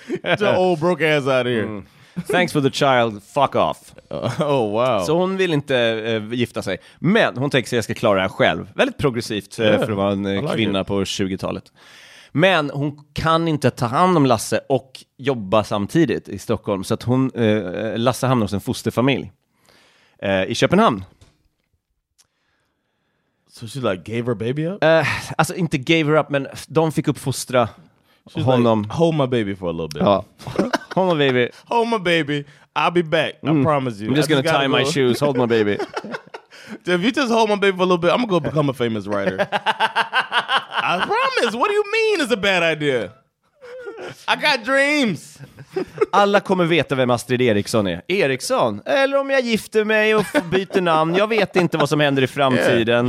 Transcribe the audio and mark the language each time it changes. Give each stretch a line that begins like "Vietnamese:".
English: Get the old broke ass out of here. Thanks for the child, fuck off. Oh wow.
Swedish: Så hon vill inte gifta sig. Men hon tänkte så här, jag ska klara det här själv. Väldigt progressivt för att vara en kvinna på 20-talet. Men hon kan inte ta hand om Lasse och jobba samtidigt i Stockholm. Så att hon, Lasse hamnar hos en fosterfamilj i Köpenhamn.
English: So she like gave her baby up?
Swedish: Alltså inte
English: gave her up,
Swedish: men de fick uppfostra honom.
English: Like, hold my baby for a little bit. Ja. Hold my baby. Hold my baby. I'll be back. I promise you. I'm just gonna tie my shoes. Hold my baby. If you just hold my baby for a little bit, I'm gonna go become a famous writer. I promise. What do you mean it's a bad idea? I got dreams.
Swedish: Alla kommer veta vem Astrid Eriksson är. Eriksson. Eller om jag gifter mig och byter namn. Jag vet inte vad som händer i framtiden.